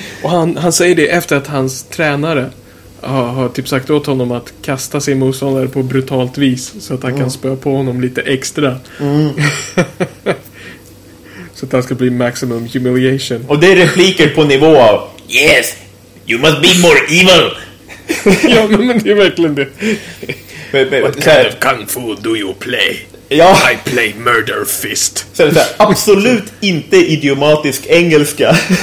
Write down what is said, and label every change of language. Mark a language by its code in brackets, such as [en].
[sv] Och han säger det efter att hans tränare har typ sagt åt honom att kasta sin motståndare på brutalt vis, så att han kan spöa på honom lite extra. Så att han ska bli maximum humiliation. Och det är repliker på nivå av [en] yes, you must be more evil. [sv] Ja, men det är verkligen det. [en] What kind of kung fu do you play? [sv] Ja. [en] I play murder fist. [sv] Så det är absolut inte idiomatisk engelska.